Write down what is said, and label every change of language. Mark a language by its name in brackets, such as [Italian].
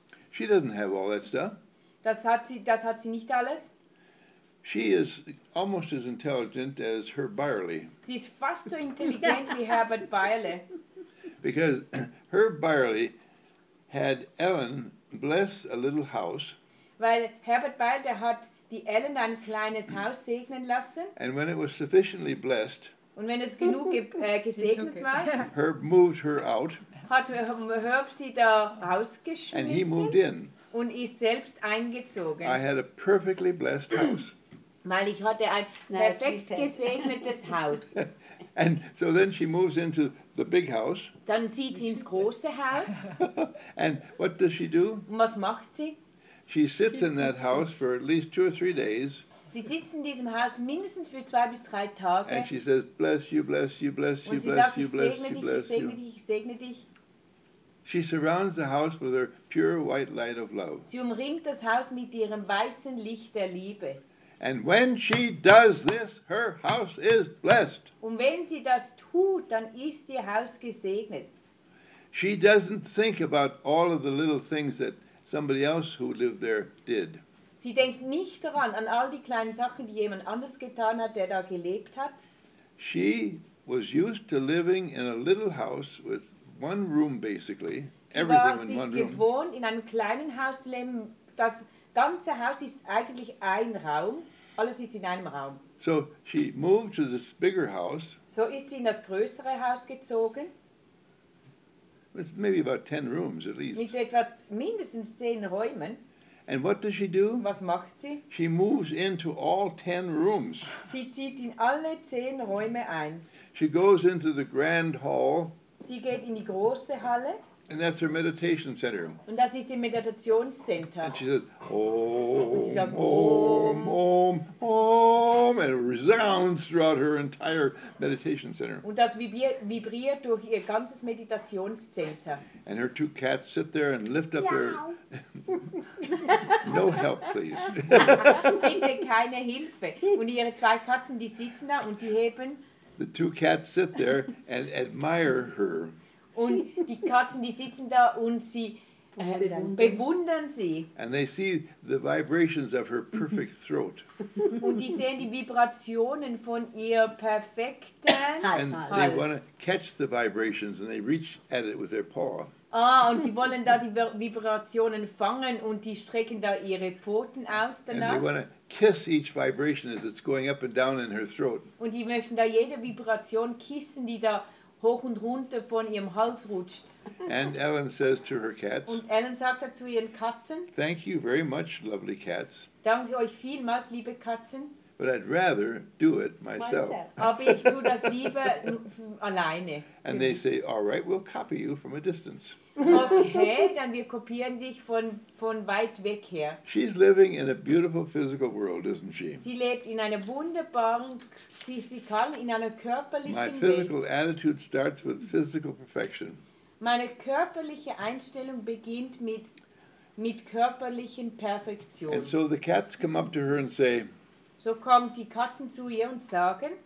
[English] She doesn't have all that stuff. [German] Das hat sie nicht alles. [English] She is almost as intelligent as Herb Byerly. [German] Sie ist fast so intelligent wie Herbert Byerly. [English] Because Herb Byerly had Ellen bless a little house. [German] Weil Herbert Byerly hat die Ellen ein kleines Haus segnen lassen. [English] And when it was sufficiently blessed, [German] und wenn es genug gesegnet war, [English] Herb moved her out. [German] Hat Herb sie da rausgeschmissen. [English] And he moved in. [German] Und ist selbst eingezogen. [English] I had a perfectly blessed house. [German] Weil ich hatte ein perfekt gesegnetes Haus. [English] And so then she moves into the big house. [German] Dann zieht sie ins große Haus. [English] And what does she do? [German] Und was macht sie? [English] She sits in that house for at least 2 or 3 days. [German] Sie sitzt in diesem Haus mindestens für 2 bis 3 Tage. [English] And she says, bless you, bless you, bless you, bless you, bless you, bless you. [German] Und sie sagt, ich segne dich, ich segne dich. [English] She surrounds the house with her pure white light of love. [German] Sie umringt das Haus mit ihrem weißen Licht der Liebe. [English] And when she does this, her house is blessed. [German] Und wenn sie das tut, dann ist ihr Haus gesegnet. [English] She doesn't think about all of the little things that somebody else who lived there did. [German] Sie denkt nicht daran, an all die kleinen Sachen, die jemand anders getan hat, der da gelebt hat. [English] She was used to living in a little house with one room basically, everything in one room. [German] Sie war gewohnt, in einem kleinen Haus zu leben. Das ganze Haus ist eigentlich ein Raum. Alles ist in einem Raum. [English] So she moved to this bigger house. [German] So ist sie in das größere Haus gezogen. [English] With maybe about 10 rooms at least. [German] Mit etwa mindestens 10 Räumen. [English] And what does she do? [German] Was macht sie? [English] She moves into all 10 rooms. [German] Sie zieht in alle 10 Räume ein. [English] She goes into the grand hall. [German] Sie geht in die große Halle. [English] And that's her meditation center. [German] Und das ist ihr Meditationszentrum. [English] And she says, Om, Om, Om, and it resounds throughout her entire meditation center. [German] Und das vibriert durch ihr ganzes Meditationszentrum. [English] And her 2 cats sit there and lift up their... No help, please. [German] Bitte keine Hilfe. Und ihre 2 Katzen, die sitzen da und die heben... [English] The 2 cats sit there and admire her. [German] Und die Katzen, die sitzen da und sie bewundern sie. [English] And they see the vibrations of her perfect throat. [German] Und die sehen die Vibrationen von ihr perfekten Hals. [English] And they want to catch the vibrations and they reach at it with their paw. [German] Ah, und sie wollen da die Vibrationen fangen und die strecken da ihre Pfoten aus danach. [English] And they want to kiss each vibration as it's going up and down in her throat. [German] Und die möchten da jede Vibration kissen, die da hoch und runter von ihrem Hals rutscht. [English] And Ellen says to her cats, [German] und Ellen sagt zu ihren Katzen, [English] thank you very much, lovely cats. [German] Danke euch vielmals, liebe Katzen. [English] But I'd rather do it myself. [German] Aber ich tue das lieber alleine. [English] And they say, all right, we'll copy you from a distance. [German] Okay, dann wir kopieren dich von weit weg her. [English] She's living in a beautiful physical world, isn't she? [German] Sie lebt in einer wunderbaren physikal, in einer körperlichen [English] Welt. My physical attitude starts with physical perfection. [German] Meine körperliche Einstellung beginnt mit körperlichen Perfektion. [English] And so the cats come up to her and say, [German] so kommen die Katzen zu ihr und sagen,